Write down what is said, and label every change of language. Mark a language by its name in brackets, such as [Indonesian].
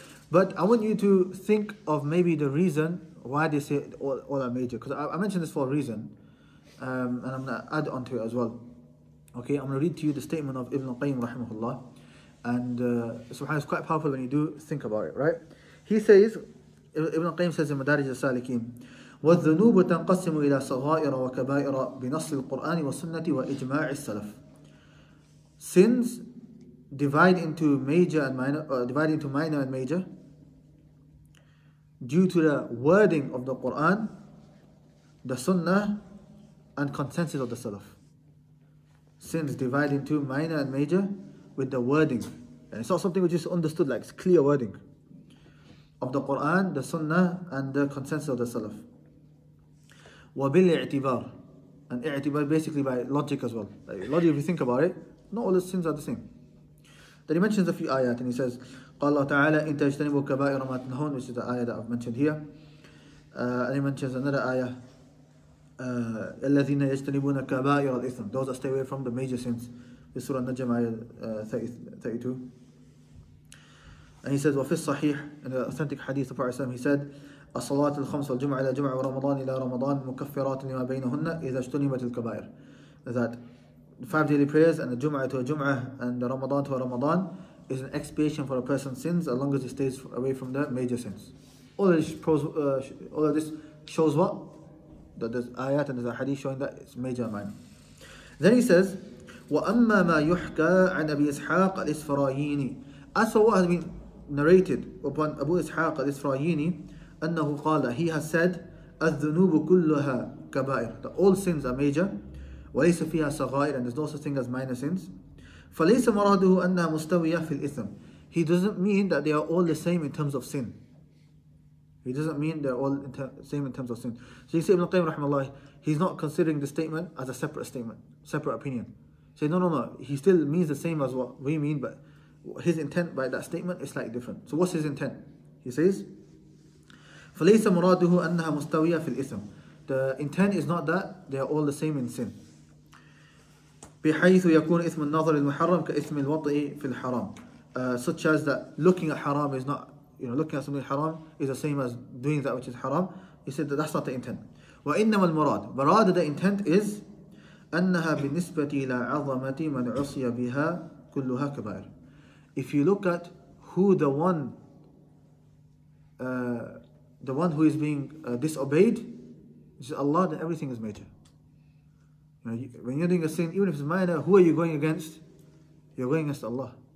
[English] But I want you to think of maybe the reason why they say all are major. Because I mentioned this for a reason. And I'm going to add on to it as well. Okay, I'm going to read to you the statement of Ibn Qayyim rahimahullah. And subhanAllah, it's quite powerful when you do think about it, right? He says, Ibn Qayyim says in Madarij al-Salikin, [Arabic] وَالذُنُوبُ تَنْقَسِمُ إِلَى صَغَائِرَ وَكَبَائِرَ بِنَصِّ الْقُرْآنِ وَسُنَّةِ وَإِجْمَاعِ السَّلَفِ. [English] Sins divide into major and minor, divide into minor and major due to the wording of the Qur'an, the Sunnah, and consensus of the Salaf. Sins divide into minor and major with the wording. And it's not something which is understood, like it's clear wording of the Quran, the Sunnah, and the consensus of the Salaf. [Arabic] وبال اعتبار. [English] And اعتبار basically by logic as well. Like, logic, if you think about it, not all the sins are the same. Then he mentions a few ayat and he says, [Arabic] قال الله تعالى إن تجتنبوا كبائر ما تنهون, [English] which is the ayah that I've mentioned here. And he mentions another ayah. [Arabic] الَّذِينَ يَجْتَنِبُونَ كَبَائِرَ الْإِثْمِ. [English] Those that stay away from the major sins. This Surah Najm, ayah 32. And he says, [Arabic] وَفِي الصَّحِيحِ, [English] in the authentic hadith of Prophet ﷺ, he said, [Arabic] أَصَلَاتِ الْخَمْسَ وَالْجُمْعَةِ إِلَى جُمْعَةِ وَرَمَضَانِ إِلَى رَمَضَانِ مُكَفِّرَاتٍ لِمَا بَيْنَهُنَّ إِذَا اجْتُنِبَتِ الْكَبَائِرِ. [English] That the five daily prayers and the Jum'ah to a Jum'ah and the Ramadan to a Ramadan is an expiation for a person's sins as long as he stays away from the major sins. All of this shows what? That there's ayat and there's a hadith showing that it's major and minor. Then he says, [Arabic] وَأَمَّا مَا يُحْكَى عَنْ أَبِي إِسْحَاقَ الْإِسْفَرَايِينِ. [English] As for what has been narrated upon Abu Ishaq al-Isfarayini, [Arabic] أَنَّهُ قَالَ, [English] he has said, [Arabic] الذُّنُوبُ كُلُّهَا كَبَائِرُ, [English] that all sins are major, [Arabic] وَلَيْسَ فِيهَا صَغَائِرَ, [English] and there's no such thing as minor sins. [Arabic] فَلَيْسَ مَرَادُهُ أَنَّهَا مُسْتَوِيَةٌ فِي الْإِثْمِ. [English] He doesn't mean that they are all the same in terms of sin. He doesn't mean they're all same in terms of sin. So you see, Ibn Qayyim rahimahullah, he's not considering the statement as a separate statement, separate opinion. Say, no, he still means the same as what we mean, but his intent by that statement is slightly different. So what's his intent? He says, [Arabic] فَلَيْسَ مُرَادُهُ أَنَّهَا مُسْتَوِيَةٌ فِي الْإِثْمِ. [English] The intent is not that they are all the same in sin. [Arabic] بِحَيْثُ يَكُونُ إِثْمُ النَّظَرِ الْمُحَرَّمِ كَإِثْمِ الْوَطْئِ فِي الْحَرَامِ. [English] Such as that looking at haram is not, you know, looking at something haram is the same as doing that which is haram. He said that that's not the intent. [Arabic] وَإِنَّمَا الْمُرَادُ, مراد, [English] the intent is, [Arabic] أَنَّهَا بِالنِّسْبَةِ إِلَىٰ عَظَمَةِ مَنْ عُصِيَ بِهَا كُلُّهَا كَبَائِرٌ. [English] If you look at who the one who is being disobeyed, which is Allah, then everything is major. Now, when you're doing a sin, even if it's minor, who are you going against? You're going against Allah.